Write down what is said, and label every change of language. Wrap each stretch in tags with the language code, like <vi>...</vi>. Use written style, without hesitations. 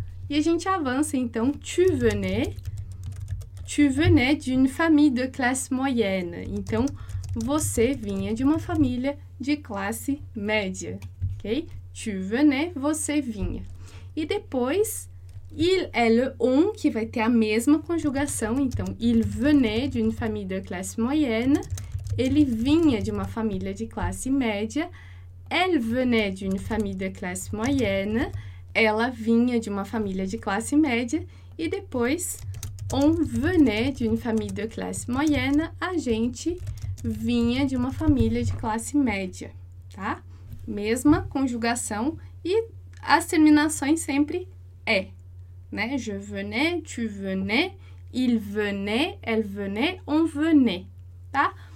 <pt>E a gente avança, então,</pt> <fr>tu venais d'une famille de classe moyenne.</fr> <pt>Então, você vinha de uma família de classe média. Ok?</pt> <fr>Tu venais,</fr> <pt>você vinha. E depois, il, elle, on, que vai ter a mesma conjugação.</pt> <fr>Então, il venait d'une famille de classe moyenne.</fr> <pt>Ele vinha de uma família de classe média.</pt> <fr>Elle venait d'une famille de classe moyenne.</fr> <pt>Ela vinha de uma família de classe média. E depois,</pt> <fr>on venait d'une famille de classe moyenne.</fr> <pt>A gente vinha de uma família de classe média, tá? Mesma conjugação e as terminações sempre é, né?</pt> <fr>Je venais, tu venais, il venait, elle venait, on venait, tá?</fr>